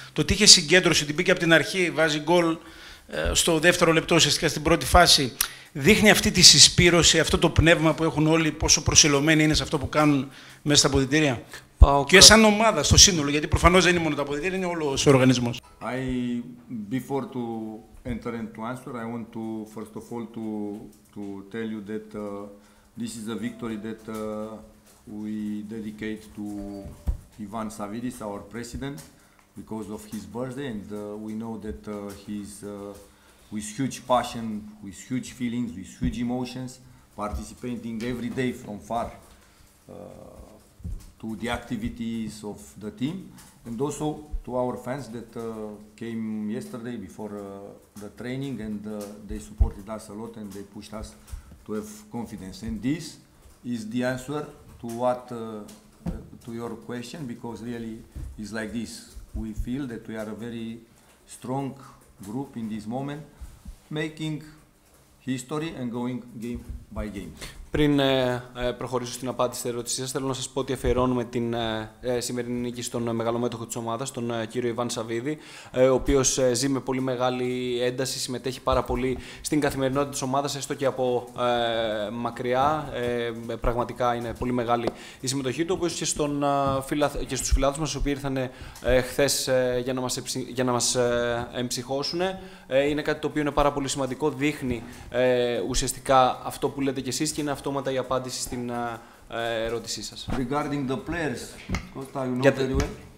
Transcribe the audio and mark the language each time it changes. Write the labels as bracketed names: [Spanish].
[Greek] Το ότι είχε συγκέντρωση, την πήγε από την αρχή, βάζει γκολ στο δεύτερο λεπτό, ουσιαστικά στην πρώτη φάση, δείχνει αυτή τη συσπήρωση, αυτό το πνεύμα που έχουν όλοι, πόσο προσιλωμένοι είναι σε αυτό που κάνουν μέσα στα αποδυτήρια. Πάω και σαν ομάδα, στο σύνολο, γιατί προφανώς δεν είναι μόνο τα αποδυτήρια, είναι όλο ο οργανισμός. [English] Before to enter and to answer, I want to first of all to tell you that this is a victory that we dedicate to Ivan Savidis, our president, because of his birthday, and we know that he's with huge passion, with huge feelings, with huge emotions, participating every day from far to the activities of the team and also to our fans that came yesterday before the training and they supported us a lot and they pushed us to have confidence. And this is the answer to what to your question, because really it's like this. We feel that we are a very strong group in this moment, making history and going game by game. [Greek] Πριν προχωρήσω στην απάντηση στην ερώτησή σας, θέλω να σας πω ότι αφιερώνουμε την σημερινή νίκη στον μεγαλομέτωχο της ομάδας, τον κύριο Ιβάν Σαββίδη, ο οποίος ζει με πολύ μεγάλη ένταση, συμμετέχει πάρα πολύ στην καθημερινότητα της ομάδας, έστω και από μακριά. Πραγματικά είναι πολύ μεγάλη η συμμετοχή του, όπως και, και στους φιλάθλους μας, οι οποίοι ήρθαν χθες για να μας εμψυχώσουν. Είναι κάτι το οποίο είναι πάρα πολύ σημαντικό, δείχνει ουσιαστικά αυτό που λέτε κι εσείς. Είναι αυτόματα η απάντηση στην ερώτησή σας. [English] Regarding the players, Costa, you know very well.